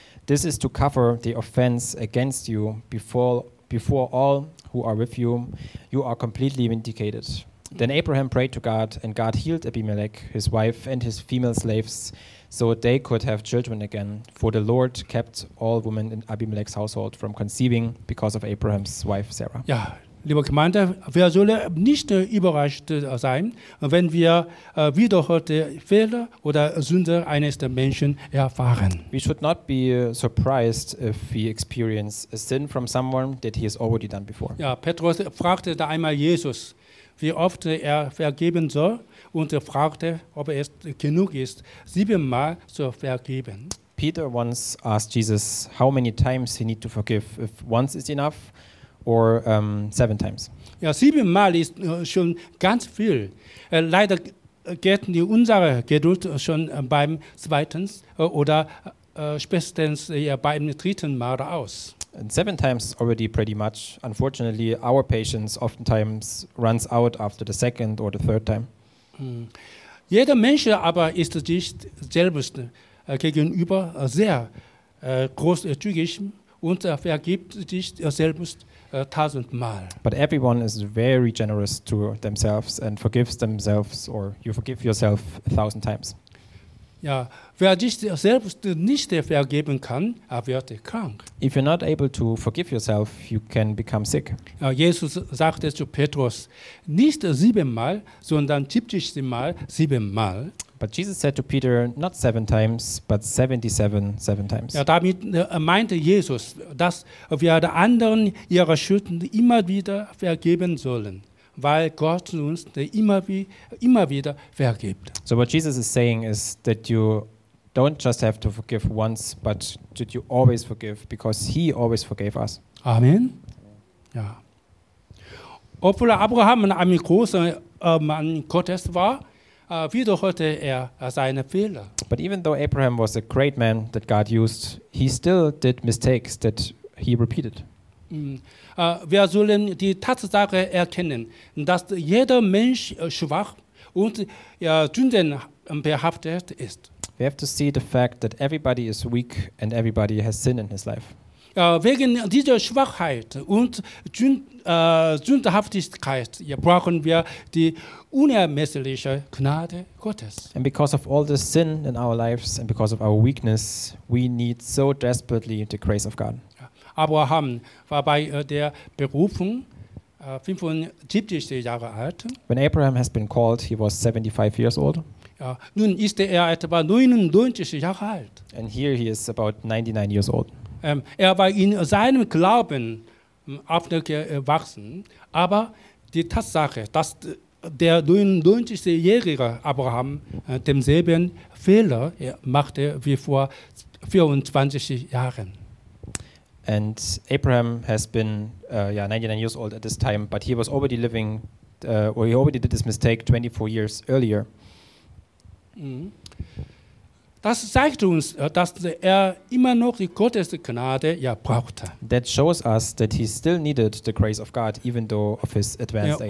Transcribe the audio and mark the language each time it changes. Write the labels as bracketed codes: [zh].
[en] This is to cover the offense against you before all who are with you. You are completely vindicated. Then Abraham prayed to God, and God healed Abimelech, his wife, and his female slaves, so they could have children again. For the Lord kept all women in Abimelech's household from conceiving because of Abraham's wife Sarah. [de] Ja, liebe Gemeinde, wir sollen nicht überrascht sein, wenn wir wiederholte Fehler oder Sünde eines der Menschen erfahren. [en] We should not be surprised if we experience a sin from someone that he has already done before. [de] Ja, Petrus fragte da einmal Jesus, wie oft er vergeben soll, und er fragte, ob es genug ist, 7-mal zu vergeben. [en] Peter once asked Jesus how many times he need to forgive, if once is enough or 7 times. [de] Ja, 7-mal ist schon ganz viel. Leider geht unsere Geduld schon beim zweiten oder spätestens beim dritten Mal aus. [en] And 7 times already pretty much. Unfortunately, our patience oftentimes runs out after the second or the third time. [de] Jeder Mensch aber ist sich selbst gegenüber sehr großzügig und vergibt sich selbst 1,000-mal. [en] But everyone is very generous to themselves and forgives themselves, or you forgive yourself 1,000 times. [de] Ja, wer sich selbst nicht vergeben kann, er wird krank. [en] If you're not able to forgive yourself, you can become sick. [de] Ja, Jesus sagte zu Petrus, nicht 7-mal, sondern 70-mal, 7-mal. [en] But Jesus said to Peter, not 7 times, but 77 times. [de] Ja, damit meinte Jesus, dass wir den anderen ihre Schulden immer wieder vergeben sollen, weil Gott uns immer wieder vergibt. [en] So what Jesus is saying is that you don't just have to forgive once, but that you always forgive, because he always forgave us. [de] Amen. Ja. Obwohl Abraham ein großer Mann Gottes war, wiederholte er seine Fehler. [en] But even though Abraham was a great man that God used, he still did mistakes that he repeated. [de] Wir sollen die Tatsache erkennen, dass jeder Mensch schwach und sündenbehaftet ist. [en] We have to see the fact that everybody is weak and everybody has sin in his life. [de] Wegen dieser Schwachheit und Sündhaftigkeit brauchen wir die unermessliche Gnade Gottes. [en] And because of all the sin in our lives and because of our weakness, we need so desperately the grace of God. [de] Abraham war bei der Berufung 75 Jahre alt. [en] When Abraham has been called, he was 75 years old. [de] Ja, nun ist er etwa 99 Jahre alt. [en] And here he is about 99 years old. [de] Er war in seinem Glauben aufgewachsen, aber die Tatsache, dass der 99-jährige Abraham demselben Fehler machte wie vor 24 Jahren. [en] And Abraham has been 99 years old at this time, but he was already living, or he already did this mistake 24 years earlier. [de] Das zeigt uns, dass immer noch die Gottesgnade brauchte. [en] That shows us that he still needed the grace of God, even though of his advanced age.